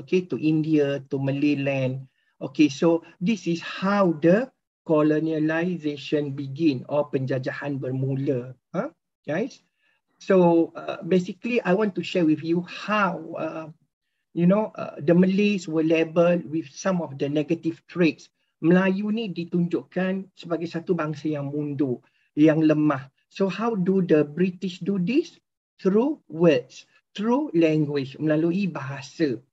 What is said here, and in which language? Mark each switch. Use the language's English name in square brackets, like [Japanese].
[English] Okay, to India, to Malay land. Okay, so this is how the colonialization begin or [Malay] penjajahan bermula, [English] huh, guys. So basically, I want to share with you how the Malays were labeled with some of the negative traits. [Malay] Melayu ni ditunjukkan sebagai satu bangsa yang mundur, yang lemah. [English] So how do the British do this? Through words, through language, [Malay] melalui bahasa.